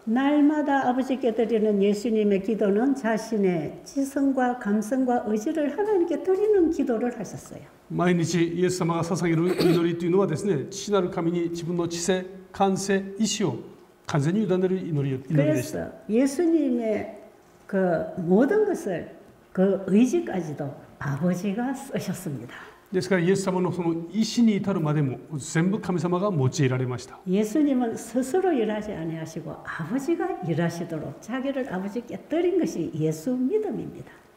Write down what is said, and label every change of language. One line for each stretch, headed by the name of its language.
Korean: 날마다 아버지께 드리는 예수님의 기도는 자신의 지성과 감성과 의지를 하나님께 드리는 기도를 하셨어요.
Japanese: 毎日イエス様が捧げる祈りというのはですね、父なる神に自分の知性、感性、意志を完全に委ねる祈りでした。
Korean: 예수님의 그 모든 것을 그 의지까지도 아버지가 쓰셨습니다.
Japanese: 예수様のその意思に至るまでも全部神様が用いられました。
Korean: 예수님은 스스로 일하지 아니하시고 아버지가 일하시도록 자기를 아버지께 드린 것이 예수 믿음입니다.